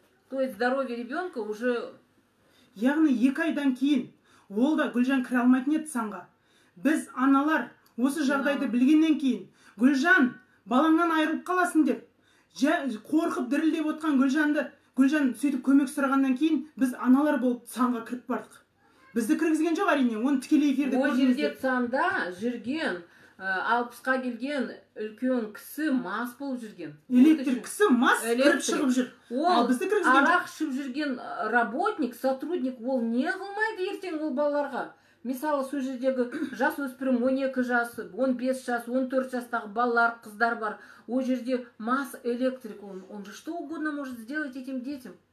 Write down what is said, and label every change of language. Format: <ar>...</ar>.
<ru>То есть здоровье ребенка уже...</ru> <kk>Яғни екі айдан кейін ол да Гүлжан кіре алмайтын еді санға. Біз аналар осы жағдайды білгеннен кейін Гүлжан балаңнан айырып қаласын деп, қорқып дірілдеп отқан Гүлжанды, Гүлжан сөйтіп көмек сұрағаннан кейін біз аналар болып санға кіріп бардық. Бізді кіргізген жоқ әрине, оны тікелей эфирде көрдіңіздер. Ол жерде санда жүрген, 60-қа келген үлкен кісі мас болып жүрген. Электрик кісі мас кіріп шығып жүр. Ол арақ ішіп жүрген работник, сотрудник, ол не қылмайды ертең ол балаларға? Мысалы, сол жердегі жас өспірім 12 жас, 15 жас, 14 жастағы балалар, қыздар бар. Ол жерде мас электрик,</kk> <ru>он же что угодно может сделать этим детям.</ru>